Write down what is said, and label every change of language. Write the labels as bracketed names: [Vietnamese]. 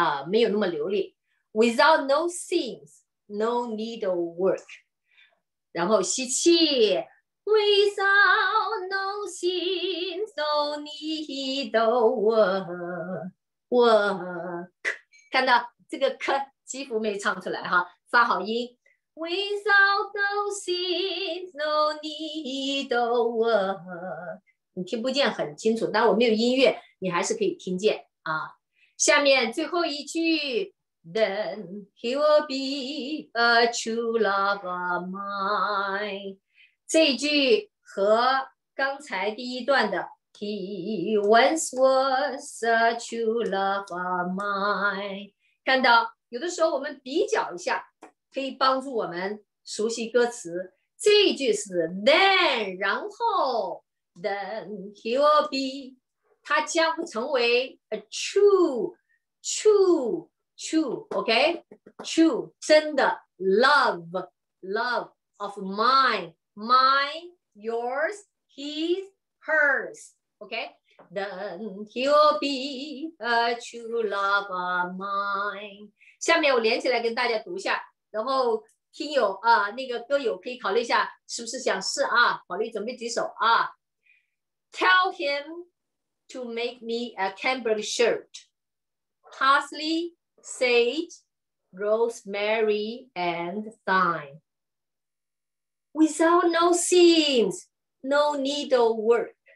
[Chinese] 没有那么流利 [English] without no seams no needle work [Chinese] 然后吸气 [English] without no seams no needle work [Chinese] 看到这个咳几乎没唱出来哈发好音 [English] Without no seams, no needle work. [Chinese] 你听不见很清楚，但我没有音乐，你还是可以听见啊。下面最后一句 [English] ，Then he will be a true love of mine. [Chinese] 这句和刚才第一段的 [English] ，He once was a true love of mine. [Chinese] 看到，有的时候我们比较一下。可以帮助我们熟悉歌词。这一句是 [English] then， [Chinese] 然后 [English] then he will be， [Chinese] 他将成为 [English] a true， [Chinese] 真的 [English] love of mine， yours， his， hers， OK， then he will be a true love of mine。 [Chinese] 下面我连起来跟大家读一下。然后听友啊，那个歌友可以考虑一下，是不是想试啊？考虑准备几首啊 [English] ？Tell him to make me a cambric shirt, parsley, sage, rosemary, and thyme. Without no seams, no needle work.